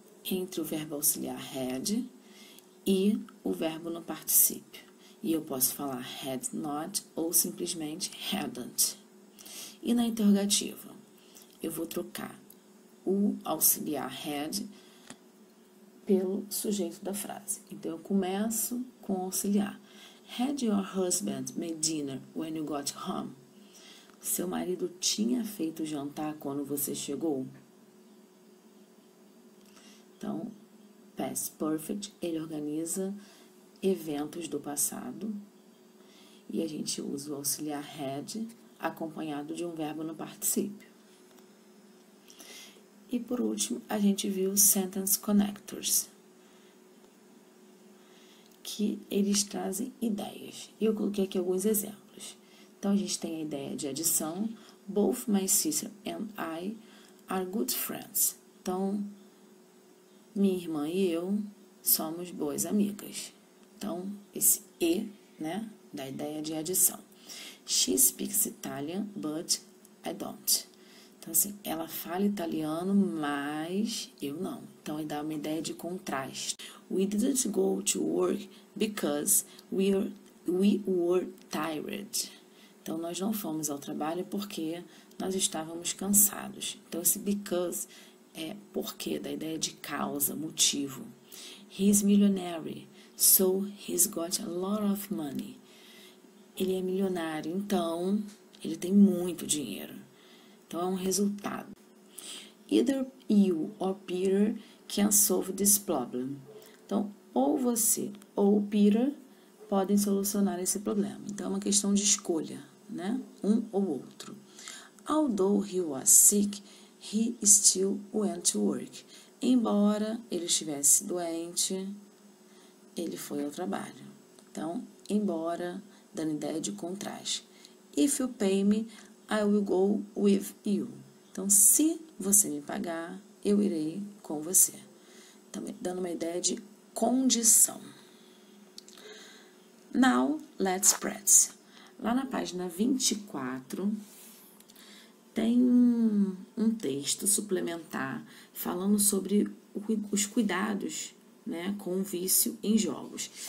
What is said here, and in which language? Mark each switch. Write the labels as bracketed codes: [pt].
[pt] Entre o verbo auxiliar had e o verbo no particípio. E eu posso falar had not ou simplesmente hadn't. E na interrogativa, eu vou trocar o auxiliar had pelo sujeito da frase. Então, eu começo com o auxiliar. [en] Had your husband made dinner when you got home? [pt] Seu marido tinha feito jantar quando você chegou? Então, past perfect, ele organiza eventos do passado e a gente usa o auxiliar had acompanhado de um verbo no particípio. E por último, a gente viu sentence connectors, que eles trazem ideias. E eu coloquei aqui alguns exemplos. Então a gente tem a ideia de adição: [en] Both my sister and I are good friends. [pt] Então, minha irmã e eu somos boas amigas. Então, esse E, né, da ideia de adição. [en] She speaks Italian, but I don't. [pt] Então, assim, ela fala italiano, mas eu não. Então, ele dá uma ideia de contraste. [en] We didn't go to work because we were tired. [pt] Então, nós não fomos ao trabalho porque nós estávamos cansados. Então, esse because é porque, da ideia de causa, motivo. [en] He's millionaire, so he's got a lot of money. [pt] Ele é milionário, então ele tem muito dinheiro. Então é um resultado. [en] Either you or Peter can solve this problem. [pt] Então, ou você ou Peter podem solucionar esse problema. Então, é uma questão de escolha, né? Um ou outro. [en] Although he was sick, he still went to work. [pt] Embora ele estivesse doente, ele foi ao trabalho. Então, embora, dando ideia de contraste. [en] If you pay me, I will go with you. [pt] Então, se você me pagar, eu irei com você. Também dando uma ideia de condição. [en] Now, let's practice. [pt] Lá na página 24, tem um texto suplementar falando sobre os cuidados, né, com o vício em jogos.